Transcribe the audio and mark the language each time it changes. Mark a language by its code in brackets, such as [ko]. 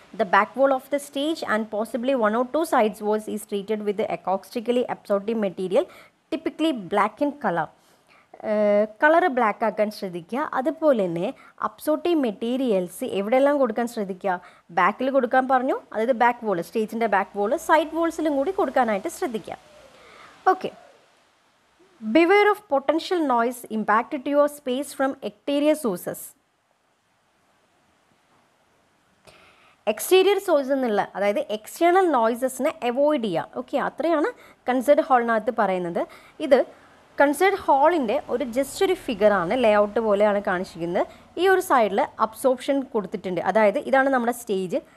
[en] The back wall of the stage and possibly 1 or 2 sides walls is treated with acoustically absorptive material, typically black in colour. [ml] Colour black ആക്കാൻ ശ്രദ്ധിക്കുക. അതുപോലെ തന്നെ absorptive materials എവിടെയെല്ലാം കൊടുക്കാൻ ശ്രദ്ധിക്കുക, ബാക്കിൽ കൊടുക്കാൻ പറഞ്ഞു, അതായത് back wall, സ്റ്റേജിൻ്റെ back wall, side വോൾസിലും കൂടി കൊടുക്കാനായിട്ട് ശ്രദ്ധിക്കുക. [en] Okay. Beware of potential noise impacted to your space from exterior sources. [ml] Exterior source എന്നുള്ള അതായത് എക്സ്റ്റേണൽ നോയിസസിനെ അവോയ്ഡ് ചെയ്യുക. ഓക്കെ, അത്രയാണ് കൺസേർഡ് ഹാളിനകത്ത് പറയുന്നത്. ഇത് കൺസേർഡ് ഹാളിൻ്റെ ഒരു ജസ്റ്റ് ഒരു ഫിഗറാണ്, ലേ ഔട്ട് പോലെയാണ് കാണിച്ചിരിക്കുന്നത്. ഈ ഒരു സൈഡിൽ അബ്സോർപ്ഷൻ കൊടുത്തിട്ടുണ്ട്, അതായത് ഇതാണ് നമ്മുടെ സ്റ്റേജ്.